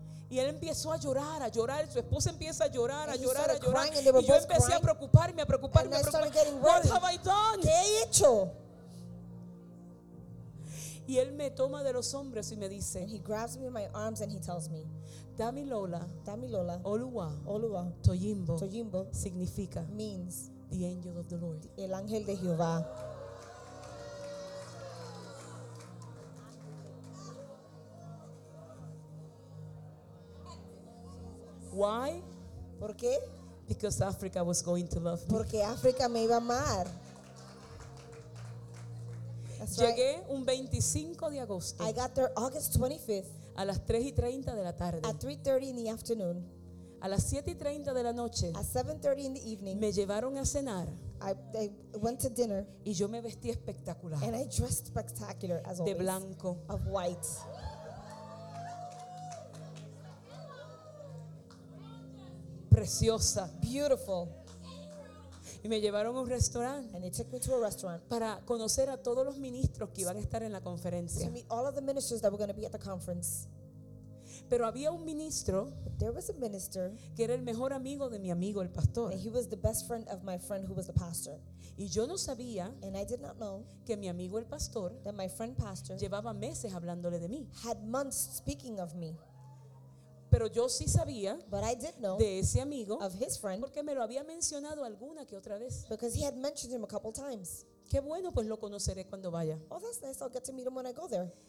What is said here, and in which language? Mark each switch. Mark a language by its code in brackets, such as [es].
[es] Y él empezó a llorar, su esposa empieza a llorar, a llorar, a llorar. Y yo empecé [en] crying. [es] A preocuparme, a preocuparme, [en] and [es] a preocuparme. [en] What have I done? [es] ¿Qué he hecho? Y él me toma de los hombros y me dice, [en] and he grabs me in my arms and he tells me, [yo] Damilola, Damilola, Oluwa, Oluwa, Toyimbo, Toyimbo, [es] significa, [en] means, the angel of the Lord, [es] el ángel de Jehová. [en] Why? [es] ¿Por qué? [en] Because Africa was going to love me. [es] Porque África me iba a amar. [en] That's [es] llegué right. Un 25 de agosto. [en] I got there August 25th. [es] A las 3:30 de la tarde. [en] At 3:30 in the afternoon. [es] A las 7:30 de la noche. [en] At 7:30 in the evening. [es] Me llevaron a cenar. [en] I went to dinner. [es] Y yo me vestí espectacular. [en] And I dressed spectacular as [es] de [en] always. [es] De blanco. [en] Of white. [es] Preciosa. [en] Beautiful. [es] Y me llevaron a un restaurante. [en] And they took me to a restaurant. [es] Para conocer a todos los ministros que iban a estar en la conferencia. [en] To meet all of the ministers that were going to be at the conference. [es] Pero había un ministro. [en] But there was a minister. [es] Que era el mejor amigo de mi amigo, el pastor. [en] And he was the best friend of my friend who was the pastor. [es] Y yo no sabía. [en] And I did not know. [es] Que mi amigo, el pastor. [en] That my friend pastor. [es] Llevaba meses hablándole de mí. [en] Had months speaking of me. [es] Pero yo sí sabía de ese amigo [en] friend, [es] porque me lo había mencionado alguna que otra vez. [en] Because he had mentioned him a couple times. [es] Qué bueno, pues lo conoceré cuando vaya. [en] Oh, that's nice. I'll get to meet him when I go there.